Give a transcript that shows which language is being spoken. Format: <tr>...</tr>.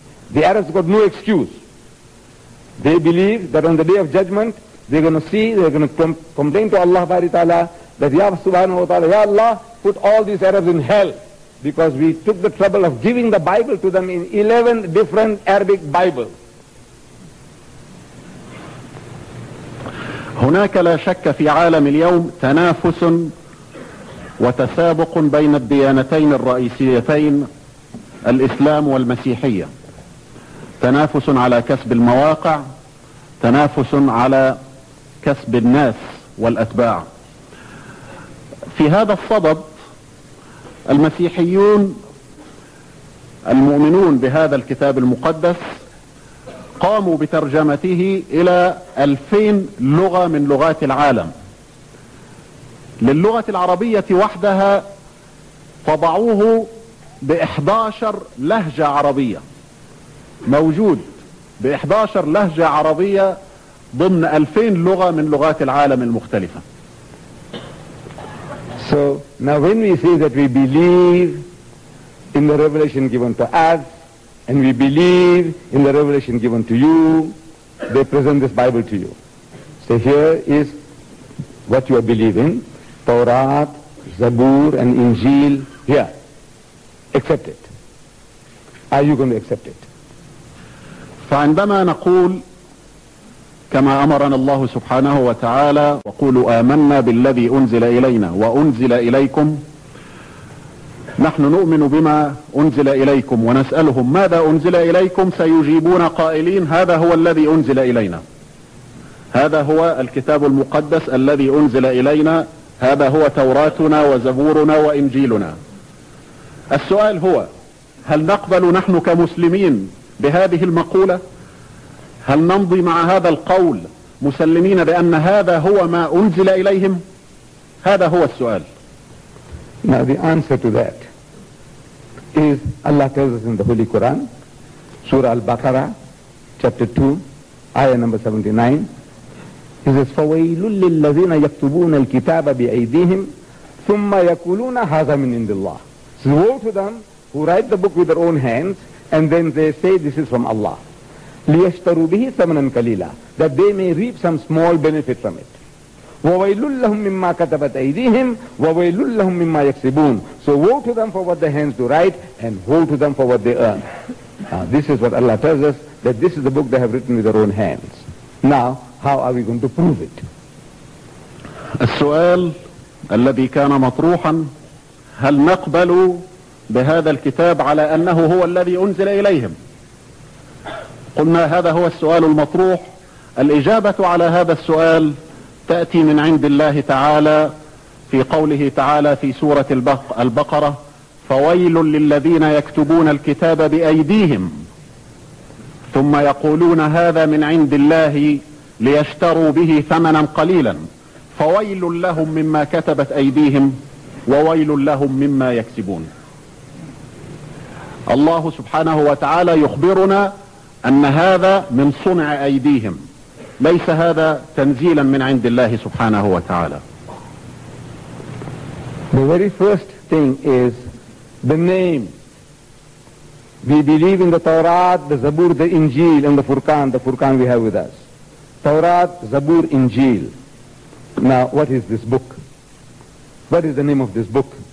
<en>The Arabs got no excuse. They believe that on the Day of Judgment, they're going to complain to Allah Bari Ta'ala that,</en> <ar>Ya Subhanahu Wa Ta'ala, Ya Allah,</ar> <en>put all these Arabs in hell because we took the trouble of giving the Bible to them in 11 different Arabic Bibles.</en> <ar>هناك لا شك في عالم اليوم تنافس وتسابق بين الديانتين الرئيسيتين الإسلام والمسيحية، تنافس على كسب المواقع، تنافس على كسب الناس والأتباع. في هذا الصدد المسيحيون المؤمنون بهذا الكتاب المقدس قاموا بترجمته إلى 2000 لغة من لغات العالم. للغة العربية وحدها فضعوه بـ11 لهجة عربية، موجود بـ11 لهجة عربية ضمن 2000 لغة من لغات العالم المختلفة.</ar> <en>So now when we say that we believe in the revelation given to us, and we believe in the revelation given to you, they present this Bible to you. So here is what you are believing: Torah, Zabur, and Injil. Here, accept it. Are you going to accept it?</en> <ar>فعندما نقول كما أمرنا الله سبحانه وتعالى وقولوا آمنا بالذي أنزل إلينا وأنزل إليكم، نحن نؤمن بما أنزل إليكم، ونسألهم ماذا أنزل إليكم، سيجيبون قائلين: هذا هو الذي أنزل إلينا، هذا هو الكتاب المقدس الذي أنزل إلينا، هذا هو توراتنا وزبورنا وإنجيلنا. السؤال هو: هل نقبل نحن كمسلمين بهذه المقولة؟ هل نمضي مع هذا القول مسلمين بأن هذا هو ما أنزل إليهم؟ هذا هو السؤال.</ar> <en>Now the answer to that is Allah tells us in the Holy Quran, Surah Al-Baqarah, chapter 2, ayah number 79. He says,</en> <ar>فَوَيْلٌ لِلَّذِينَ يَكْتُبُونَ الْكِتَابَ بِأَيْدِيهِمْ ثُمَّ يَكُولُونَ هَذَا مِنْ عِنْدِ اللَّهِ.</ar> <en>So woe to them who write the book with their own hands and then they say this is from Allah.</en> <ar>لِيَشْتَرُوا بِهِ ثَمَنًا كَلِيلًا,</ar> <en>that they may reap some small benefit from it.</en> <ar>وَوَيْلٌ لَهُمْ مِمَّا كَتَبَتْ أَيْدِيهِمْ وَوَيْلٌ لَهُمْ مِمَّا يَكْسِبُونَ.</ar> <en>So woe to them for what their hands do write and woe to them for what they earn. This is what Allah tells us, that this is the book they have written with their own hands. Now, how are we going to prove it?</en> <ar>السؤال الذي كان مطروحا, هل نقبل بهذا الكتاب على أنه هو الذي أنزل إليهم؟ قلنا هذا هو السؤال المطروح. الإجابة على هذا السؤال تأتي من عند الله تعالى في قوله تعالى في سورة البقرة: فويل للذين يكتبون الكتاب بأيديهم ثم يقولون هذا من عند الله ليشتروا به ثمنا قليلا. فويل لهم مما كتبت أيديهم وويل لهم مما يكسبون. الله سبحانه وتعالى يخبرنا أن هذا من صنع أيديهم, ليس هذا تنزيلا من عند الله سبحانه وتعالى.</ar> <en>The very first thing is the name. We believe in the Torah, the Zabur, the Injil, and the Furqan we have with us. Torah, Zabur, Injil. Now, what is this book? What is the name of this book?</en>